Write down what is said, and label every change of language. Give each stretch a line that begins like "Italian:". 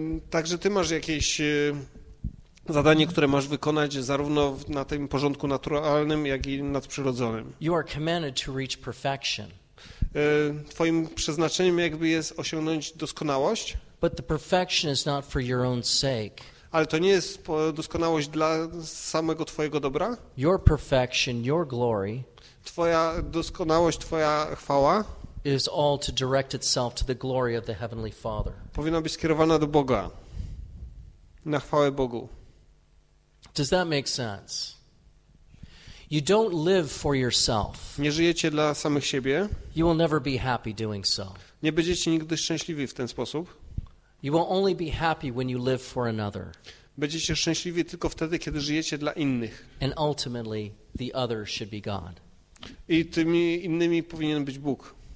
Polish: Także ty masz jakieś zadanie, które masz wykonać zarówno na tym porządku naturalnym, jak i nadprzyrodzonym.
English: You are commanded to reach perfection.
Polish: Twoim przeznaczeniem jakby jest osiągnąć doskonałość.
English: But the perfection is not for your own sake.
Polish: Ale to nie jest doskonałość dla samego twojego dobra.
English: Your perfection, your glory,
Polish: twoja doskonałość, twoja chwała
English: is all to direct itself to the glory of the Heavenly Father.
Polish: Powinna być skierowana do Boga, na chwałę Bogu.
English: Does that make sense? You don't live for yourself.
Polish: Nie żyjecie dla samych siebie.
English: You will never be happy doing so.
Polish: Nie będziecie nigdy szczęśliwi w ten sposób.
English: You will only be happy when you live for another.
Polish: Będziecie szczęśliwi tylko wtedy, kiedy żyjecie dla innych.
English: And ultimately, the other should be God.
Polish: I tymi innymi powinien być Bóg.